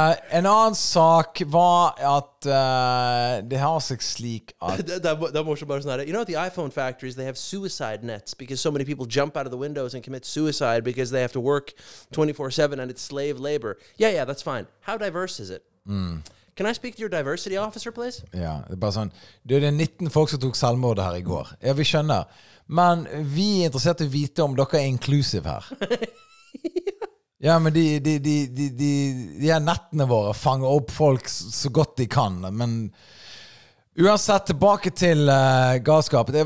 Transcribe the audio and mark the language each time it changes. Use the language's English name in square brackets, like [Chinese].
[Norwegian] En annen sak var at det har seg slik at det er morsomt bare sånn her. [English] You know at the iPhone factories, they have suicide nets because so many people jump out of the windows and commit suicide because they have to work 24/7 and it's slave labor. Yeah, that's fine. How diverse is it? Mm. Can I speak to your diversity officer, please? [Norwegian] Ja, det er bare sånn. Du, det er 19 folk som tok selvmord her i går. Ja, vi skjønner. Men vi er interessert i å vite om dere er inclusive her. Ja, men de her nettene våre fanger opp folk så godt de kan. Men uansett, tilbake til galskapet.